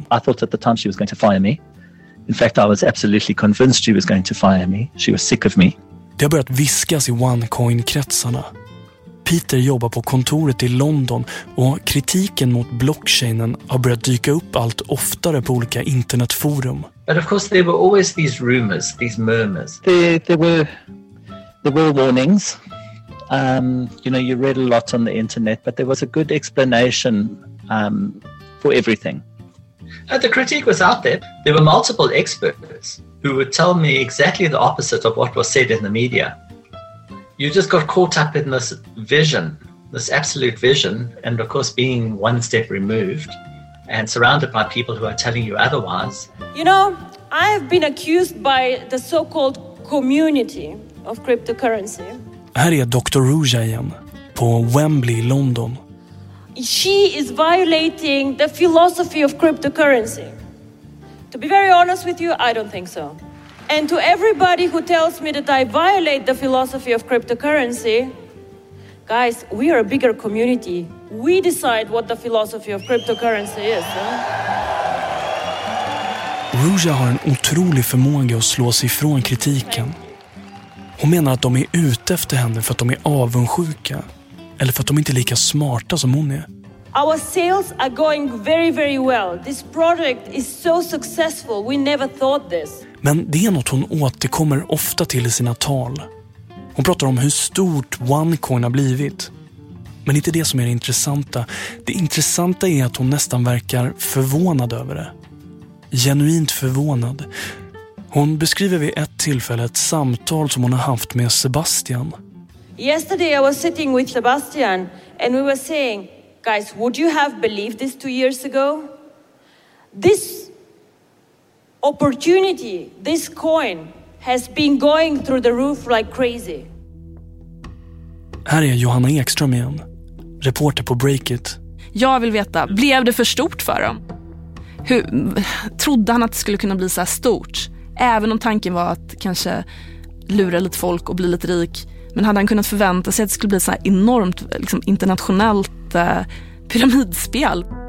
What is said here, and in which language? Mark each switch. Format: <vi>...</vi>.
<en>I thought at the time she was going to fire me. In fact, I was absolutely convinced she was going to fire me. She was sick of me.</en> <sv>Det har börjat viskas i OneCoin-kretsarna. Peter jobbar på kontoret i London och kritiken mot blockchainen har börjat dyka upp allt oftare på olika internetforum.</sv> <en>But of course there were always these rumors, these murmurs. There were warnings. You know, you read a lot on the internet, but there was a good explanation for everything. And the critique was out there. There were multiple experts who would tell me exactly the opposite of what was said in the media. You just got caught up in this vision, this absolute vision, and of course being one step removed and surrounded by people who are telling you otherwise. You know, I have been accused by the so-called community of cryptocurrency.</en> <sv>Här är Dr. Ruja igen, på Wembley, London.</sv> <en>She is violating the philosophy of cryptocurrency. To be very honest with you, I don't think so. And to everybody who tells me that I violate the philosophy of cryptocurrency, guys, we are a bigger community. We decide what the philosophy of cryptocurrency is. Huh?</en> <sv>Ruja har en otrolig förmåga att slå sig ifrån kritiken. Hon menar att de är ute efter henne för att de är avundsjuka eller för att de inte är lika smarta som hon är.</sv> <en>Our sales are going very, very well. This product is so successful. We never thought this.</en> <sv>Men det är något hon återkommer ofta till i sina tal. Hon pratar om hur stort OneCoin har blivit. Men inte det som är det intressanta. Det intressanta är att hon nästan verkar förvånad över det. Genuint förvånad. Hon beskriver vid ett tillfälle ett samtal som hon har haft med Sebastian.</sv> <en>Yesterday I was sitting with Sebastian and we were saying, guys, would you have believed this 2 years ago? This opportunity, this coin has been going through the roof like crazy.</en> <sv>Här är Johanna Ekström igen, reporter på Breakit. Jag vill veta, blev det för stort för dem? Hur trodde han att det skulle kunna bli så här stort? Även om tanken var att kanske lura lite folk och bli lite rik. Men hade han kunnat förvänta sig att det skulle bli så här enormt liksom, internationellt pyramidspel?</sv>